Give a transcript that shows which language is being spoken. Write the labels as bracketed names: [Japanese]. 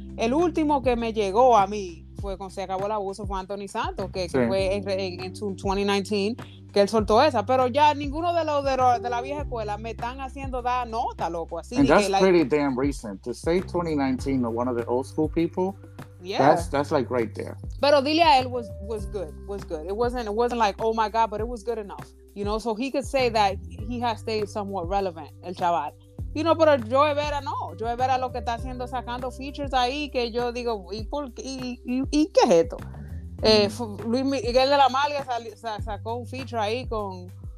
[Spanish] El último que me llegó a mí fue con Se Acabó el Abuso, fue Anthony Santos, que fue en 2019, que él soltó esa, pero ya ninguno de los de la vieja escuela me están haciendo dar nota, loco. Así [English] and that's pretty like, damn recent to say 2019 or one of the old school people. Yeah, that's like right there. Pero dile a él was good. It wasn't like oh my god, but it was good enough. You know, so he could say that he has stayed somewhat relevant, el chaval. [Spanish] You know, pero Joe Vera no. Joe Vera lo que está haciendo sacando features ahí que yo digo y qué es esto. Luis Miguel de la Malia sacó un feature ahí con